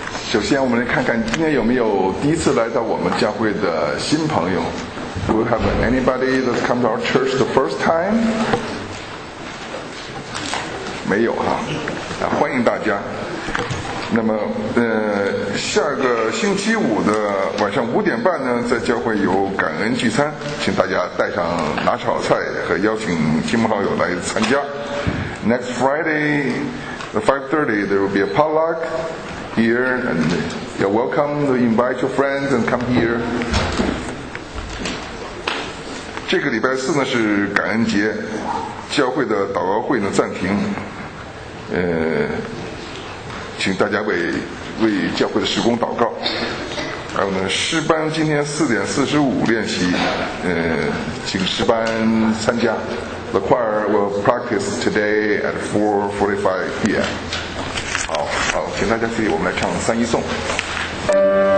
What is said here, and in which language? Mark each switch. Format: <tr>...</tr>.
<zh>首先我们来看看今天有没有第一次来到我们教会的新朋友。</zh> <en>Do we have anybody that's come to our church the first time?</en> <zh>没有哈、啊、欢迎大家。那么下个星期五的晚上5:30呢，在教会有感恩聚餐，请大家带上拿炒菜和邀请亲朋好友来参加。</zh> <en>Next Friday at 5:30 there will be a potluckHere and you're welcome to invite your friends and come here.</en> <zh>这个礼拜四呢是感恩节，教会的祷告会呢暂停。请大家为教会的事工祷告。还有呢，诗班今天4:45练习，请诗班参加。</zh> <en>The choir will practice today at 4:45 p.m.</en> <zh>好，请大家注意，我们来唱三一颂。</zh>